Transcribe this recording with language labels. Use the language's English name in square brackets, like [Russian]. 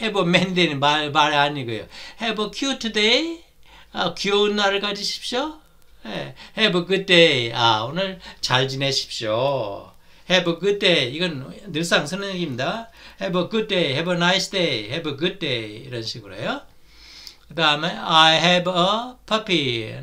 [English] Have a many day는 [Korean] 말 아니고요. [English] Have a cute day. [Korean] 귀여운 날을 가지십시오. [English] Have a good day. [Korean] 오늘 잘 지내십시오. [English] Have a good day. [Korean] 이건 늘상 쓰는 얘기입니다. [English] Have a good day. Have a nice day. Have a good day. [Korean] 이런 식으로요. 그 다음에 [English] I have a puppy.